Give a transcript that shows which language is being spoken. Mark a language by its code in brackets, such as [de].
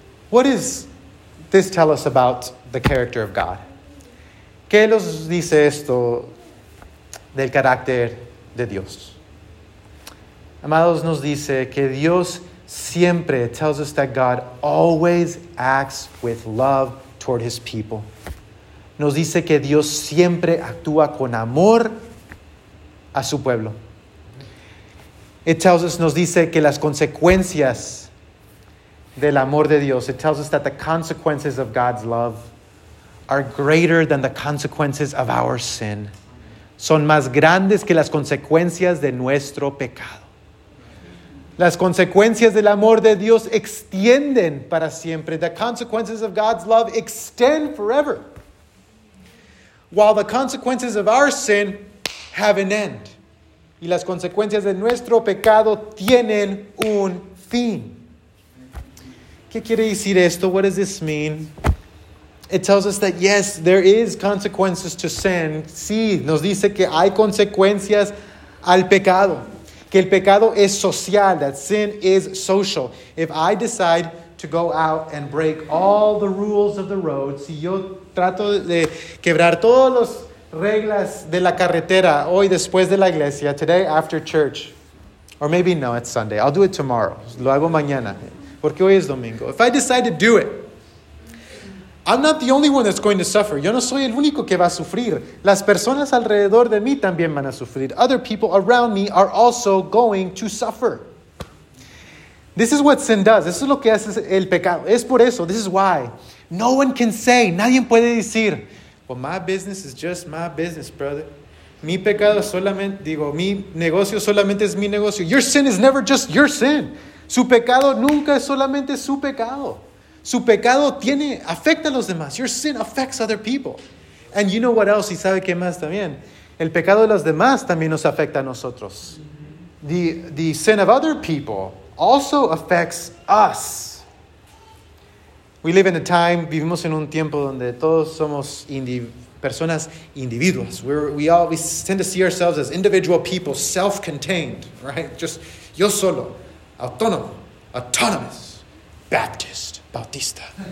[en] What does this tell us about the character of God? [es] ¿Qué nos dice esto del carácter de Dios? Amados, nos dice que Dios siempre [en] tells us that God always acts with love toward his people. [es] Nos dice que Dios siempre actúa con amor a su pueblo. [en] It tells us, [es] nos dice que las consecuencias del amor de Dios, [en] it tells us that the consequences of God's love are greater than the consequences of our sin. [es] Son más grandes que las consecuencias de nuestro pecado. Las consecuencias del amor de Dios extienden para siempre. [en] The consequences of God's love extend forever. While the consequences of our sin have an end. [es] Y las consecuencias de nuestro pecado tienen un fin. ¿Qué quiere decir esto? [en] What does this mean? It tells us that yes, there is consequences to sin. [es] Sí, nos dice que hay consecuencias al pecado. Que el pecado es social, [en] that sin is social. If I decide to go out and break all the rules of the road, [es] si yo trato de quebrar todas las reglas de la carretera hoy después de la iglesia, [en] today after church, or maybe no, it's Sunday, I'll do it tomorrow, [es] lo hago mañana, porque hoy es domingo. [en] If I decide to do it, I'm not the only one that's going to suffer. [es] Yo no soy el único que va a sufrir. Las personas alrededor de mí también van a sufrir. [en] Other people around me are also going to suffer. This is what sin does. [es] Eso es lo que hace el pecado. Es por eso. [en] This is why. No one can say. [es] Nadie puede decir. [en] Well, my business is just my business, brother. [es] Mi pecado solamente, digo, mi negocio solamente es mi negocio. Your sin is never just your sin. Su pecado nunca es solamente su pecado. Su pecado tiene, afecta a los demás. [en] Your sin affects other people. And you know what else? [es] ¿Y sabe qué más también? El pecado de los demás también nos afecta a nosotros. [en] The sin of other people also affects us. We live in a time, [es] vivimos en un tiempo donde todos somos personas individuas. [en] We tend to see ourselves as individual people, self-contained, right? [es] Just yo solo, autónomo, autonomous, Baptist, Bautista.